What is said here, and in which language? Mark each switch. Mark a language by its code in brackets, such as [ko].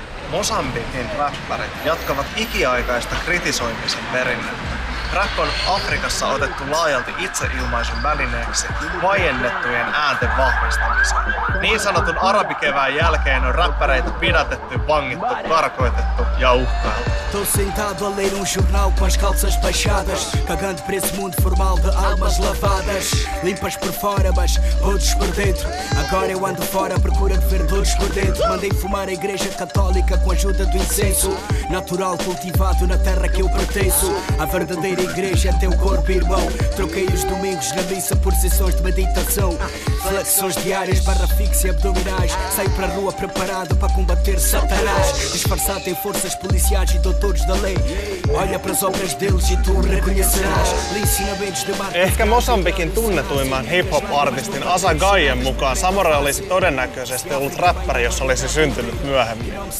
[fi] Mosambikin räppärit jatkavat ikiaikaista kritisoimisen perinnettä. Rap on Afrikassa otettu laajalti itseilmaisun välineeksi vaiennettujen äänten vahvistamiseen. Niin sanotun arabikevään jälkeen on räppäreitä pidätetty, vangittu, karkoitettu ja uhkailtu. [pt] Estou sentado a ler um jornal com as calças baixadas, cagando para esse mundo formal de almas lavadas. Limpas por fora, mas rudes por dentro. Agora eu ando fora à procura de verdores por dentro. Mandei fumar a igreja católica com a ajuda do incenso natural cultivado na terra que eu pertenço. A verdadeira igreja é teu corpo, irmão. Troquei os domingos na missa por sessões de meditação, flexões diárias, barra fixa e abdominais. Saio para a rua preparado para combater Satanás, disfarçado em forças policiais e doutores. todos da lei. Olha para as obras deles e tu reconhecerás. Ensinamentos de barco. [fi] Ehkä Mosambikin tunnetuimman hip-hop-artistin Asa Gaien mukaan Samora olisi todennäköisesti ollut räppäri, jos olisi syntynyt myöhemmin.